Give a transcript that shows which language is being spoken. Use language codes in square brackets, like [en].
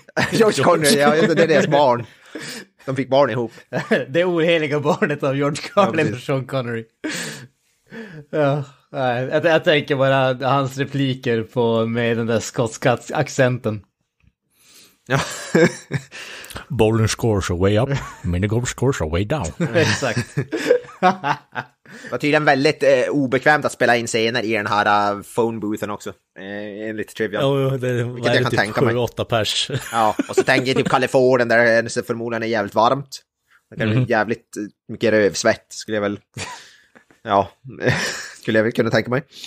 [sv] George Connery, ja, det är deras barn. De fick barn ihop. Det oheliga barnet av George Carlin, ja, och Sean Connery. Ja, jag tänker bara hans repliker på med den där skotska accenten. Ja. [en] Bowling scores are way up, minigolf scores are way down. [sv] Exakt. Det var tydligen väldigt obekvämt att spela in scener i den här phone boothen också. Enligt trivia. Ja, det är typ 7-8 pers. Ja, och så tänker jag typ Kalifornien där det förmodligen är jävligt varmt. Det kan bli jävligt mycket rövsvett skulle jag väl. Ja, skulle jag väl kunna tänka mig.